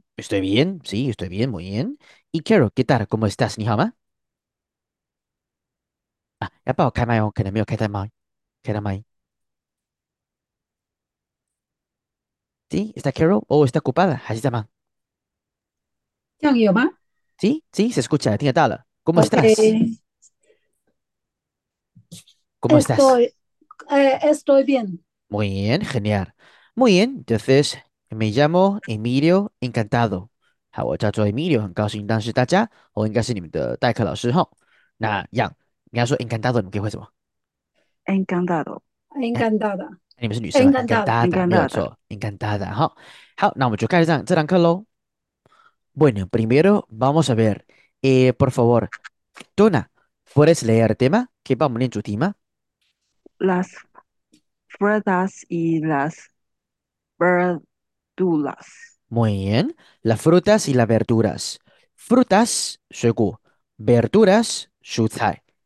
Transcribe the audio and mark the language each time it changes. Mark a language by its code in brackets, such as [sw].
[es] Estoy bien, sí, estoy bien, muy bien. Y Carol, ¿qué tal? ¿Cómo estás, mi ama? [zh] Ah,要帮我开麦哦，可能没有开到麦，开到麦。 [es] Sí, está Carol, o está ocupada, [zh] 还是在吗这样有吗 [es] ？Sí, sí, se escucha, [zh] 听得到了。 [es] ¿Cómo estás? ？OK，estoy， ¿Cómo estás? estoy bien。 Muy bien, genial. Muy bien, entonces me llamo Emilio, encantado. [zh] 好，我叫做 Emilio，很高兴认识大家，我应该是你们的代课老师哈。那样。你要说 encantado，你们可以回什么？ [es] Encantada，encantada，encantada。 [zh] 你们是女生，encantada，没有错，encantada 哈。好，那我们就开始这堂课喽。 [es] Bueno, primero vamos a ver, por favor, Tona, ¿puedes leer el tema? ¿Qué vamos a leer tu tema? Las frutas y las verduras. Muy bien, las frutas y las verduras. Frutas, shugu, verduras, shuzai.